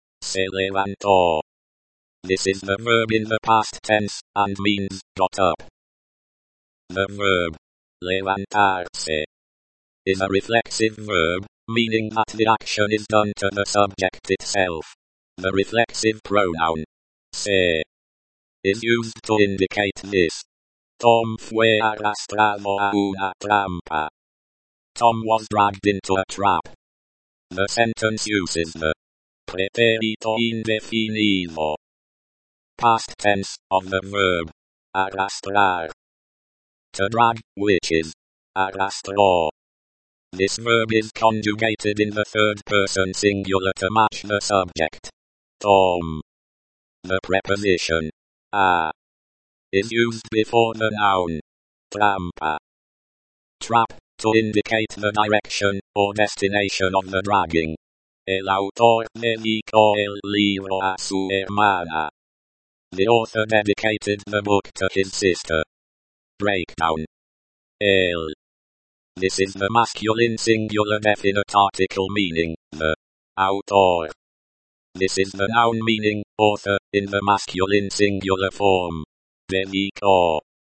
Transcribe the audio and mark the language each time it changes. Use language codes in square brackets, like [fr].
[en] Se levantó. This is the verb in the past tense, and means, got up. The verb, levantarse, is a reflexive verb, meaning that the action is done to the subject itself. The reflexive pronoun, se, is used to indicate this. [es] Tom fue arrastrado a una trampa. [en] Tom was dragged into a trap. The sentence uses the pretérito indefinido. Past tense of the verb arrastrar. To drag, which is arrastró. This verb is conjugated in the third person singular to match the subject. Tom. The preposition a is used before the noun trampa. Trap, to indicate the direction or destination of the dragging. [es] El autor dedicó el libro a su hermana. [en] The author dedicated the book to his sister. Breakdown. El. This is the masculine singular definite article meaning the autor. This is the noun meaning, author, in the masculine singular form. Dedicó.